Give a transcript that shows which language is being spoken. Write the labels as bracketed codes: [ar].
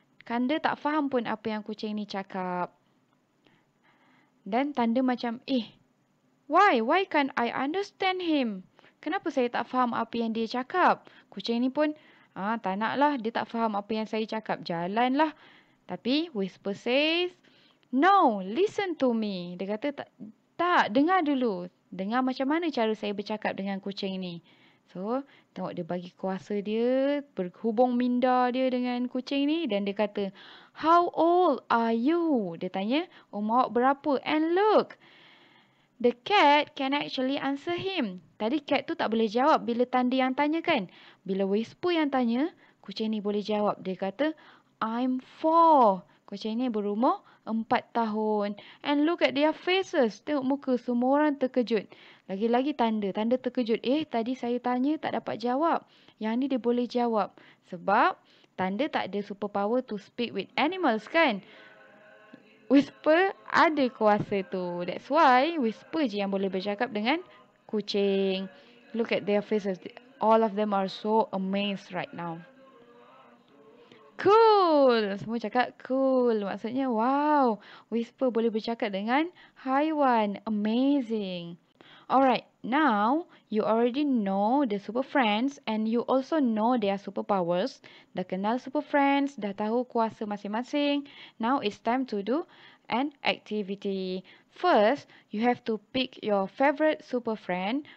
[ms] Tanda tak faham pun apa yang kucing ni cakap. Dan tanda macam, [en] why can't I understand him? [ms] Kenapa saya tak faham apa yang dia cakap? Kucing ni pun, tak naklah, dia tak faham apa yang saya cakap, jalanlah. [en] Tapi Whisper says, "No, listen to me." [ms] Dia kata, tak, dengar dulu. Dengar macam mana cara saya bercakap dengan kucing ni. So, tengok dia bagi kuasa dia, berhubung minda dia dengan kucing ni dan dia kata, [en] "How old are you?" [ms] Dia tanya, "Umur awak berapa?" [en] And look, the cat can actually answer him. [ms] Tadi cat tu tak boleh jawab bila tanda yang tanya kan. Bila Whisper yang tanya, kucing ni boleh jawab. Dia kata, "I'm 4." Kucing ni berumur 4 tahun. [en] And look at their faces. [ms] Tengok muka semua orang terkejut. Lagi-lagi tanda. Tanda terkejut. Tadi saya tanya tak dapat jawab. Yang ni dia boleh jawab. Sebab tanda tak ada superpower [en] to speak with animals [ms] kan? Whisper ada kuasa tu. That's why Whisper je yang boleh bercakap dengan kucing. [en] Look at their faces. All of them are so amazed right now. [ms] Cool! Semua cakap cool. Maksudnya, wow. Whisper boleh bercakap dengan haiwan. [en] Amazing. Alright, now you already know the super friends and you also know their superpowers. [ms] Dah kenal super friends, dah tahu kuasa masing-masing. [en] Now it's time to do an activity. First, you have to pick your favorite super friend.